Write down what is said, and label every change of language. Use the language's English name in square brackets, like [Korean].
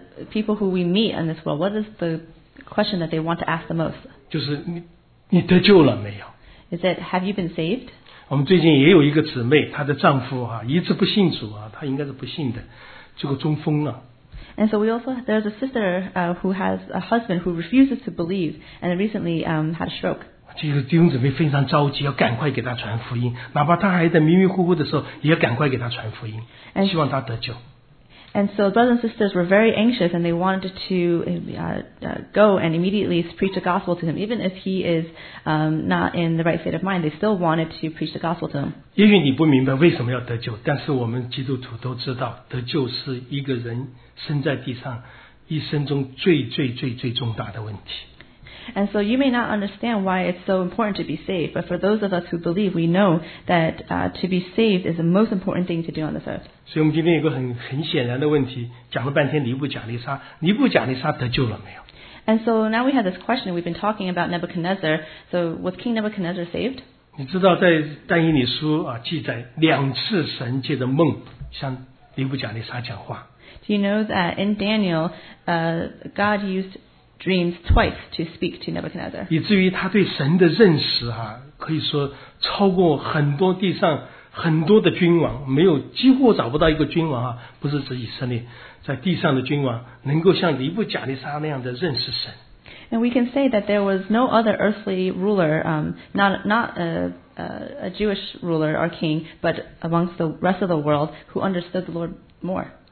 [English] people who we meet in this world, what is the question that they want to ask the most? [Chinese] 就是你得救了没有? [English] Is that, have you been saved? [Chinese] 我们最近也有一个姊妹，她的丈夫一直不信主，她应该是不信的，结果中风了。 [English] And so we also there's a sister who has a husband who refuses to believe and recently had a stroke. [Chinese] 这个弟兄姊妹非常着急，要赶快给她传福音，哪怕她还在迷迷糊糊的时候，也要赶快给她传福音，希望她得救。 [English] And so brothers and sisters were very anxious, and they wanted to go and immediately preach the gospel to him, even if he is not in the right state of mind. They still wanted to preach the gospel to him. [Chinese] 也许你不明白为什么要得救, 但是我们基督徒都知道得救是一个人生在地上, 一生中最重大的问题。 [English] And so you may not understand why it's so important to be saved, but for those of us who believe, we know that to be saved is the most important thing to do on this earth. [Chinese] 所以我们今天有个很显然的问题, 讲了半天尼布甲利撒, 尼布甲利撒得救了没有? [English] And so now we have this question we've been talking about Nebuchadnezzar. So was King Nebuchadnezzar saved? [Chinese] 你知道在但以理书啊, 记载两次神借着梦向尼布甲利撒讲话。 [English] Do you know that in Daniel, God used dreams twice to speak to Nebuchadnezzar? [Chinese] 以至于他对神的认识啊, 可以说超过很多地上很多的君王, 没有, 几乎找不到一个君王啊, 不是指以色列, 在地上的君王, 能够像尼布甲利撒那样的认识神。 [English] And we can say that there was no other earthly ruler, not a Jewish ruler or king, but amongst the rest of the world who understood the Lord more.